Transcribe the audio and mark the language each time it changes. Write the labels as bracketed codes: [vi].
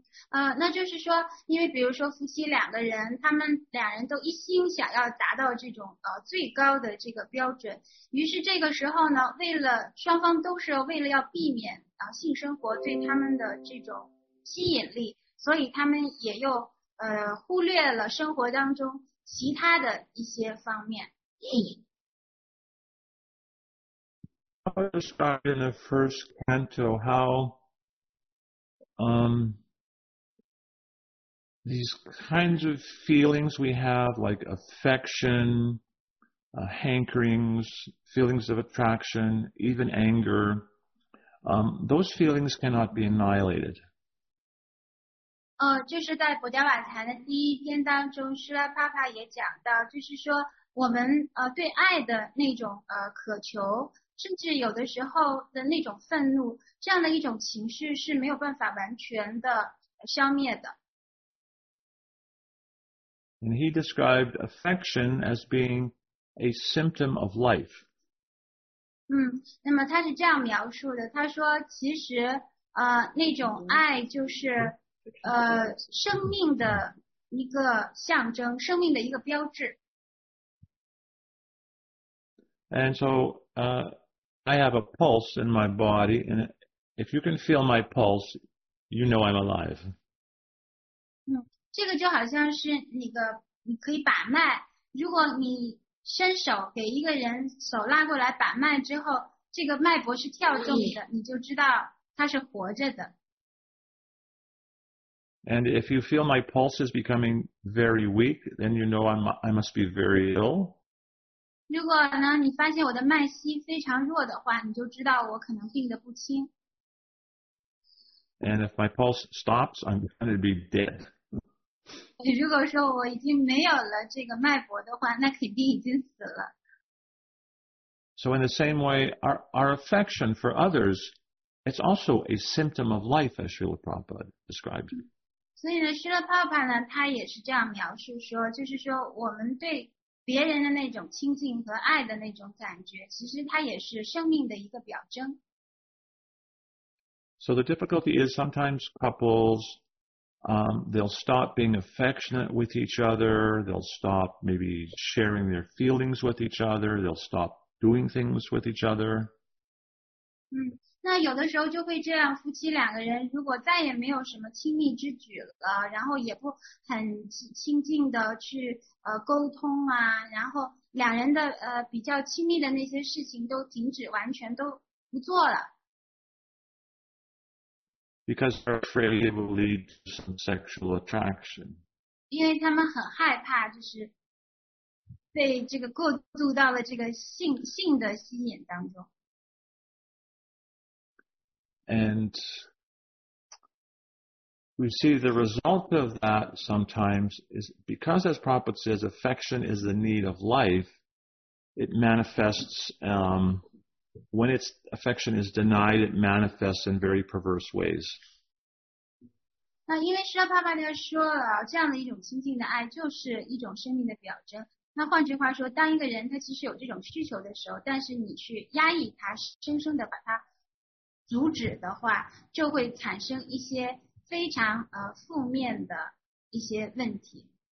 [zh] 那就是说，因为比如说夫妻两个人，他们两人都一心想要达到这种最高的这个标准，于是这个时候呢，为了双方都是为了要避免性生活对他们的这种吸引力，所以他们也又忽略了生活当中其他的一些方面。 [en] I'll describe in the first canto how these kinds of feelings we have, like affection, hankerings, feelings of attraction, even anger, those feelings cannot be annihilated. [zh] 就是在薄伽瓦坛的第一篇当中，施拉帕帕也讲到，就是说我们对爱的那种渴求，甚至有的时候的那种愤怒，这样的一种情绪是没有办法完全的消灭的。 [en] And he described affection as being a symptom of life. [zh] 那么他是这样描述的，他说其实那种爱就是生命的一个象征，生命的一个标志。 [en] And so, I have a pulse in my body, and if you can feel my pulse, you know I'm alive. [zh] 这个就好像是你的你可以把脉。如果你伸手给一个人手拉过来把脉之后，这个脉搏是跳动的，你就知道他是活着的。 [en] And if you feel my pulse is becoming very weak, then you know I must be very ill. [zh] 如果呢，你发现我的脉息非常弱的话，你就知道我可能病得不轻。 [en] And if my pulse stops, I'm going to be dead. [zh] 如果说我已经没有了这个脉搏的话，那肯定已经死了。 [en] So in the same way, our affection for others, it's also a symptom of life, as Srila Prabhupada described. [zh] 所以呢，施乐泡泡呢，他也是这样描述说，就是说我们对别人的那种亲近和爱的那种感觉，其实它也是生命的一个表征。 [en] So the difficulty is sometimes couples, they'll stop being affectionate with each other, they'll stop maybe sharing their feelings with each other, they'll stop doing things with each other. [zh] 那有的时候就会这样，夫妻两个人如果再也没有什么亲密之举了，然后也不很亲近的去沟通啊，然后两人的比较亲密的那些事情都停止，完全都不做了。 [en] Because they're afraid it will lead to some sexual attraction. [zh] 因为他们很害怕，就是被这个过度到了这个性的吸引当中。 [en] And we see the result of that sometimes is because, as Prabhupada says, affection is the need of life, it manifests, when its affection is denied, it manifests in very perverse ways. [zh] 那因为释迦牟尼佛说了，这样的一种亲近的爱就是一种生命的表征。那换句话说，当一个人他其实有这种需求的时候，但是你去压抑他，生生的把他阻止的话，就会产生一些非常负面的一些问题。